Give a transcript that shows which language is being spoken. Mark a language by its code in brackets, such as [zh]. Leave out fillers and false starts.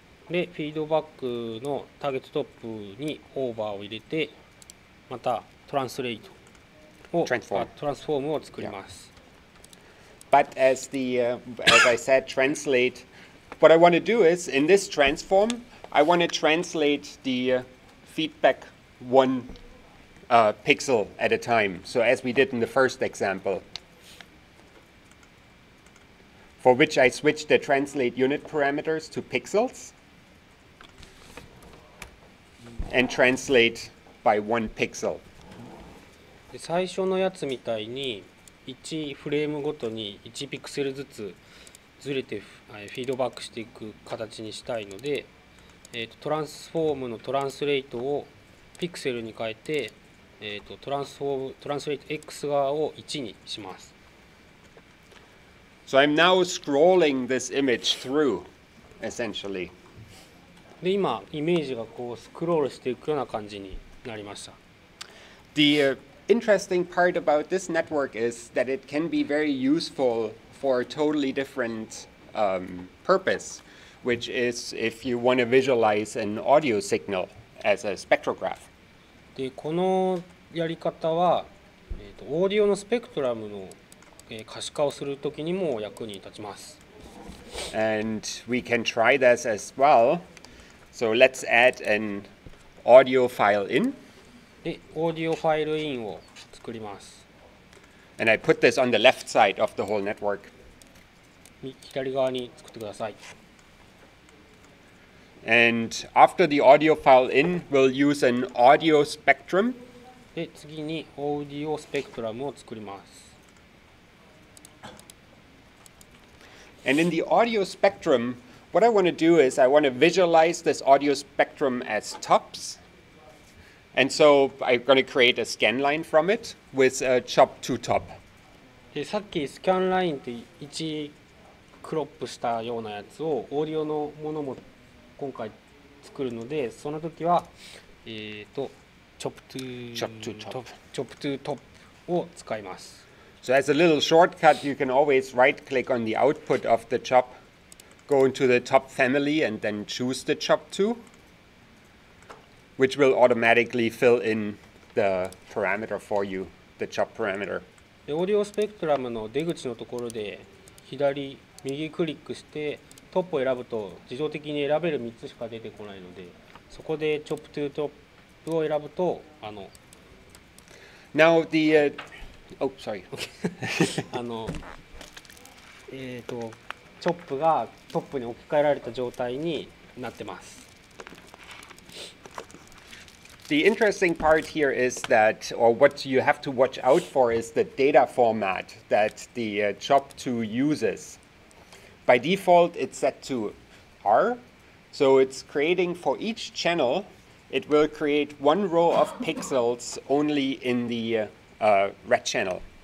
[ja] で、フィードバックのターゲットトップにオーバーを入れて、またトランスレートを、トランスフォームを作ります。 [en] But as the, as I said, translate, what I want to do is, in this transform, I want to translate the feedback one pixel at a time. So as we did in the first example. For which I switch the translate unit parameters to pixels and translate by one pixel. [ja] で、最初のやつみたいに1フレームごとに1ピクセルずつずれてフィードバックしていく形にしたいので、トランスフォームのトランスレートをピクセルに変えて、トランスフォームトランスレート X 側を1にします。 [en] So I'm now scrolling this image through, essentially. [ja] で、今、イメージがこうスクロールしていくような感じになりました。 [en] The interesting part about this network is that it can be very useful for a totally different purpose, which is if you want to visualize an audio signal as a spectrograph. [ja] で、このやり方は、オーディオのスペクトラムの可視化をするときにも役に立ちます。 [en] And we can try this as well. So let's add an audio file in. [ja] で、オーディオファイルインを作ります。 [en] And I put this on the left side of the whole network. [ja] 左側に作ってください。 [en] And after the audio file in, we'll use an audio spectrum. [ja] で、次にオーディオスペクトラムを作ります。 [en] And in the audio spectrum, what I want to do is I want to visualize this audio spectrum as tops. And so I'm going to create a scan line from it with a chop to top. [ja] さっきスキャンラインって1クロップしたようなやつをオーディオのものも今回作るので、その時はチョップトゥートップを使います。 [en] So as a little shortcut, you can always right-click on the output of the chop, go into the chop family, and then choose the chop 2, which will automatically fill in the parameter for you, the chop parameter. [ja] The audio spectrum の出口のところで左右クリックしてトップを選ぶと自動的に選べる3つしか出てこないのでそこでチョップトゥートップを選ぶとあの [en] Now the oh sorry [ja] あのチョップがトップに置き換えられた状態になってます [en] The interesting part here is that or what you have to watch out for is the data format that the chop2 usesBy default, it's set to R. So it's creating for each channel, it will create one row of pixels only in the red channel.